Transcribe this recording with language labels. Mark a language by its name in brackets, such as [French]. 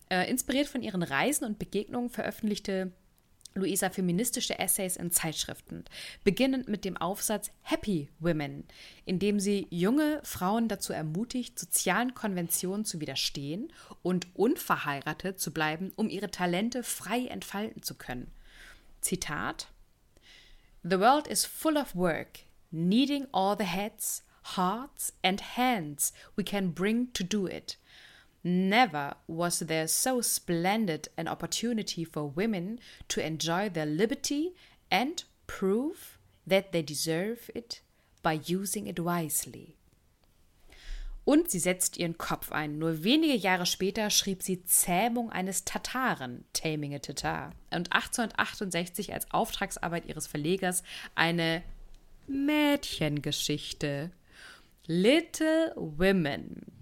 [German] Inspiriert von ihren Reisen und Begegnungen veröffentlichte Luisa feministische Essays in Zeitschriften, beginnend mit dem Aufsatz Happy Women, in dem sie junge Frauen dazu ermutigt, sozialen Konventionen zu widerstehen und unverheiratet zu bleiben, um ihre Talente frei entfalten zu können. [English] Zitat: The world is full of work, needing all the heads, hearts and hands we can bring to do it. Never was there so splendid an opportunity for women to enjoy their liberty and prove that they deserve it by using it wisely. [German] Und sie setzt ihren Kopf ein. Nur wenige Jahre später schrieb sie Zähmung eines Tataren, Taming a Tatar, und 1868 als Auftragsarbeit ihres Verlegers eine Mädchengeschichte, Little Women.